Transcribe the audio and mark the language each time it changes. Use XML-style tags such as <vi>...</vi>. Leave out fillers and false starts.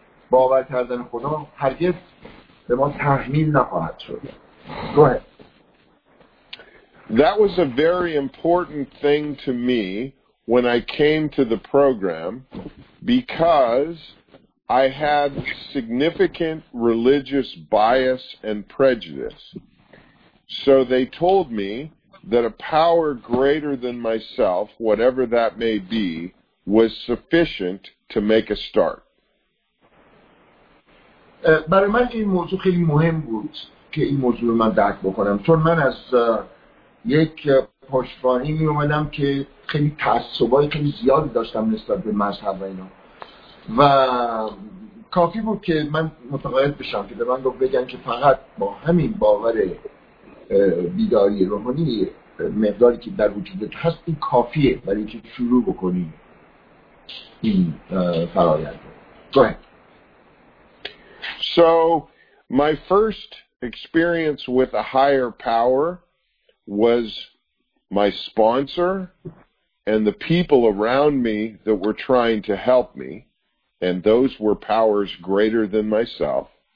<fa>باور کردن خدا هرگز به ما تحمیل نخواهد شد. روحه</fa> <en>That was a very important thing to me when I came to the program because I had significant religious bias and prejudice. So they told me that a power greater than myself, whatever that may be, was sufficient to make a start.</en> <fa>برای من این موضوع خیلی مهم بود که این موضوع من درک بکنم چون من از یک پشتوانه‌ای می اومدم که خیلی تعصبای خیلی زیادی داشتم نسبت به مذهب و اینا و کافی بود که من متقاعد بشم که به من بگن که فقط با همین باور بیداری روحانی مقداری که در وجودت هست این کافیه برای اینکه شروع بکنی این فرایند.</fa> <en>Go ahead. So my first experience with a higher power was my sponsor and the people around me that were trying to help me, and those were powers greater than myself.</en>